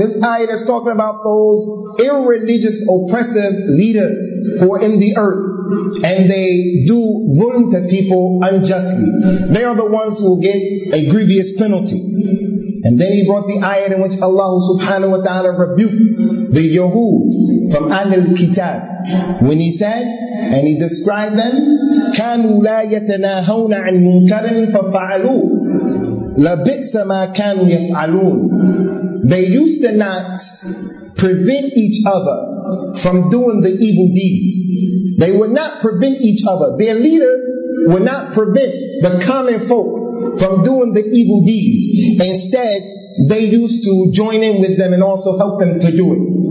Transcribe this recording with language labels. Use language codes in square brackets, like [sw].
[en] This ayah is talking about those irreligious, oppressive leaders who are in the earth. And they do wrong to people unjustly. They are the ones who will get a grievous penalty. And then he brought the ayat in which Allah subhanahu wa ta'ala rebuked the Yahud from Ahlul Kitab. When he said, and he described them, [ar] كَانُوا لَا يَتَنَاهَوْنَ عَنْ مُنْكَرٍ فَفَعَلُوا لَبِئْسَ مَا كَانُوا يَفْعَلُونَ. [en] They used to not prevent each other from doing the evil deeds. They would not prevent each other. Their leaders would not prevent the common folk from doing the evil deeds. Instead, they used to join in with them and also help them to do it.